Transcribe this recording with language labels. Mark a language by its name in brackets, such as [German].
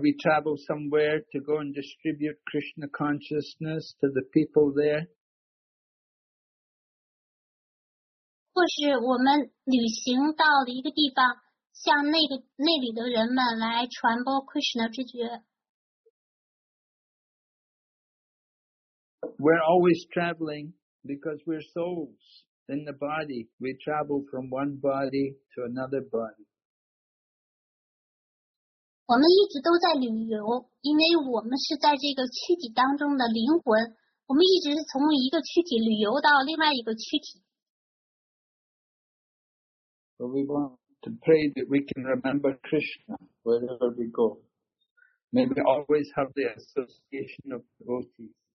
[English] we travel somewhere to go and distribute Krishna consciousness to the people there. [Chinese] 或是我们旅行到了一个地方。向那里的人们来传播 Krishna 知觉。 [English] We're always traveling because we're souls in the body. We travel from one body to another body. [Chinese] 我们一直都在旅游，因为我们是在这个躯体当中的灵魂。我们一直是从一个躯体旅游到另外一个躯体。 [English] But we want to pray that we can remember Krishna wherever we go. May we always have the association of devotees.